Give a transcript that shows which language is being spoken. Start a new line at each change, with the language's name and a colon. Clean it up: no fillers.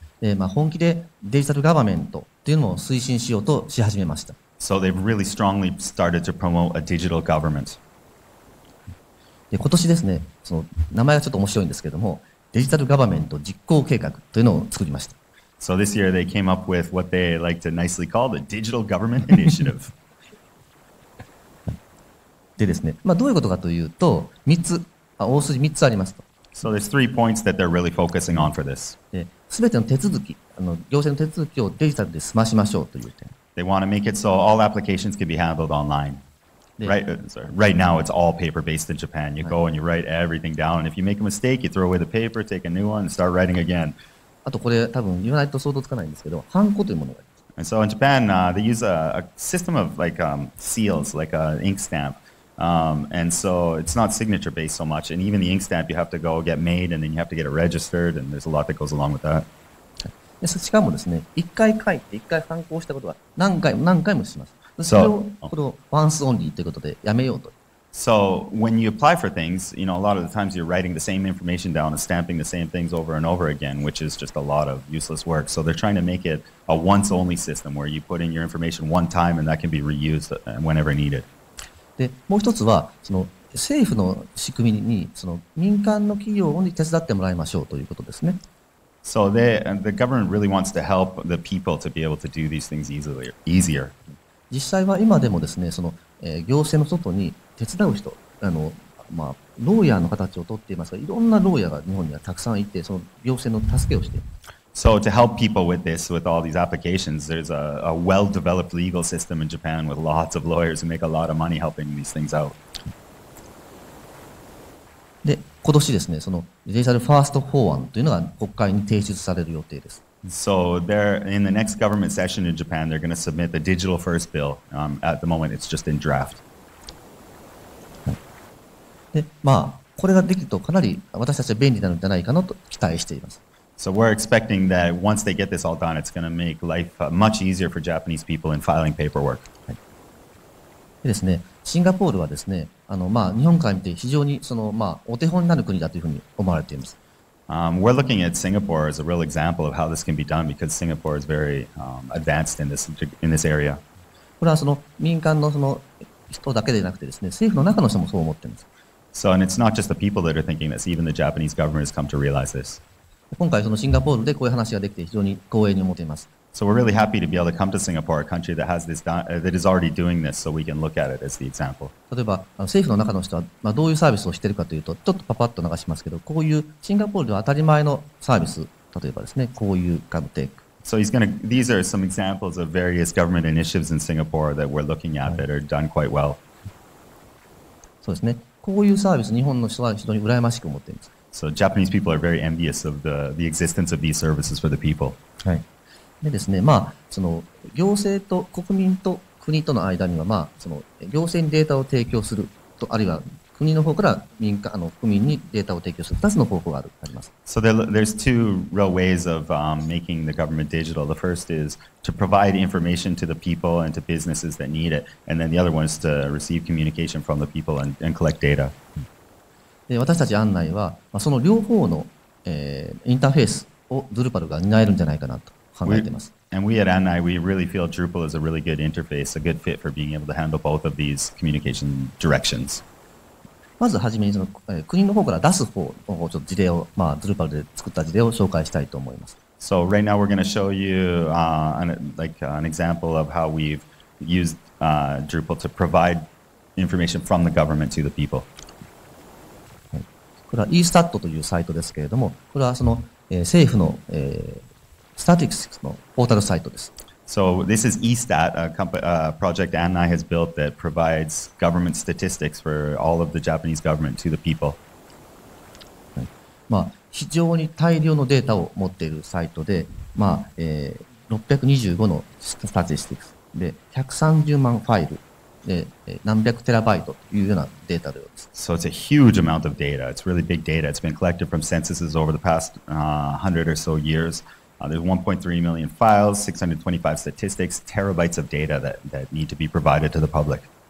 Japanese: で、まあ本気でデジタルガバメントというのを推進しようとし始めました。
English: So they've really strongly started to promote a digital government.
Japanese: で、今年ですね、その名前がちょっと面白いんですけれども、デジタルガバメント実行計画というのを作りました。
English: So this year they came up with what they like to nicely call the Digital Government Initiative.
Japanese: でですね、まあ、どういうことかというと、3つ、あ、大筋3つありますと。
English: So there's three points that they're really focusing on for this.
Japanese: で、全ての手続き、あの、行政の手続きをデジタルで済ましましょうという点。
English: They want to make it so all applications can be handled online. Right now it's all paper-based in Japan. You go and you write everything down. And if you make a mistake, you throw away the paper, take a new one, and start writing again.
Japanese: あとこれ多分言わないと相当つかないんですけど、ハンコというものがあります。
English: And so in Japan, they use a system of like, seals, like an ink stamp. And so it's not signature based so much. And even the ink stamp, you have to go get made, and then you have to get it registered, and there's a lot that goes along with that.
Japanese: しかもですね、一回書いて一回ハンコをしたことは何回も何回もします。それをこの once only ということでやめようと。
English: So when you apply for things, you know, a lot of the times you're writing the same information down and stamping the same things over and over again, which is just a lot of useless work. So they're trying to make it a once-only system where you put in your information one time and that can be reused whenever needed.
Japanese: で、もう一つは、その政府の仕組みに、その民間の企業に手伝ってもらいましょうということですね。
English: So the government really wants to help the people to be able to do these things easier.
Japanese: 実際は今でもですね、その行政の外に手伝う人、あの、まあ、ローヤーの形をとっていますが、いろんなローヤーが日本にはたくさんいて、その行政の助けをしています。
English: So to help people with this, with all these applications, there's a well-developed legal system in Japan with lots of lawyers who make a lot of money helping these things out.
Japanese: で、今年ですね、そのデジタルファースト法案というのが国会に提出される予定です。
English: So they're in the next government session in Japan, they're going to submit the digital first bill. At the moment, it's just in draft.
Japanese: で、まあ、これができるとかなり私たちは便利なのではないかなと期待しています。
English: So we're expecting that once they get this all done, it's going to make life much easier for Japanese people in filing paperwork.
Japanese: でですね、シンガポールはですね、あの、まあ、日本から見て非常にその、まあ、お手本になる国だというふうに思われています。
English: We're looking at Singapore as a real example of how this can be done because Singapore is very advanced in this area.
Japanese: これはその民間のその人だけでなくてですね、政府の中の人もそう思ってます。
English: So, and it's not just the people that are thinking this. Even the Japanese government has come to realize this.
Japanese: 今回そのシンガポールでこういう話ができて非常に光栄に思っています。
English: So we're really happy to be able to come to Singapore, a country that has this that is already doing this, so we can look at it as the example.
Japanese: 例えば、政府の中の人はどういうサービスをしているかというと、ちょっとパパッと流しますけど、こういうシンガポールでは当たり前のサービス、例えばですね、こういうガムテック。
English: So these are some examples of various government initiatives in Singapore that we're looking at that are done quite well.
Japanese: そうですね。こういうサービス、日本の人は非常に羨ましく思っています。
English: So Japanese people are very envious of the existence of these services for the people.
Japanese: はい。でですね、まあ、その、行政と国民と国との間には、まあ、その、行政にデータを提供すると、あるいは国の方から民間、あの、国民にデータを提供する2つの方法があります。
English: So there's two real ways of making the government digital. The first is to provide information to the people and to businesses that need it. And then the other one is to receive communication from the people and collect data.
Japanese: で、私たち案内は、まあ、その両方の、インターフェースをドゥルパルが担えるんじゃないかなと。
English: And we at ANNAI, we really feel Drupal is a really good interface, a good fit for being able to handle both of these communication directions.
Japanese: まずはじめにその国の方から出す方をちょっと事例を、まあ、Drupal で作った事例を紹介したいと思います。
English: So right now we're going to show you an example of how we've used Drupal to provide information from the government to the people.
Japanese: これは eStat というサイトですけれども、これはその政府のスタティクスのポータルサイトです。
English: So this is eStat, a project ANNAI has built that provides government statistics for all of the Japanese government to the people.
Japanese: まあ、非常に大量のデータを持っているサイトで、まあ、625のスタティスティクスで、130万ファイルで、何百テラバイトというようなデータのようです。
English: So it's a huge amount of data. It's really big data. It's been collected from censuses over the past 100 or so years. There's 1.3 million files, 625 statistics, terabytes of data that need to be provided to the public.